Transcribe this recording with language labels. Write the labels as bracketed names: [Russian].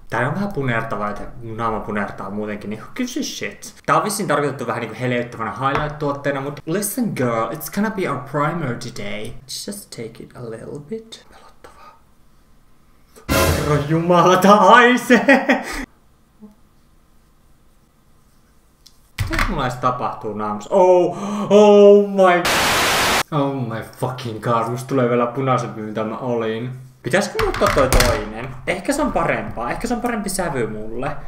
[Finnish] Tää on vähän punertava, että mun naama punertaa muutenkin, niin [English] who gives a shit? [Finnish] Tää on vissiin tarkoitettu vähän niinku heleyttävänä highlight-tuotteena, mut [English] listen girl, it's gonna be our primer today. Let's just take it a little bit. [Finnish] Pelottavaa. Herra jumala, tää haisee! Mitäs mulla ees tapahtuu naamassa? [English] Oh, oh my fucking god, [Finnish] musta tulee vielä punaisempi mitä mä olin. Pitäisikö mä ottaa toi toinen? Ehkä se on parempaa. Ehkä se on parempi sävy mulle.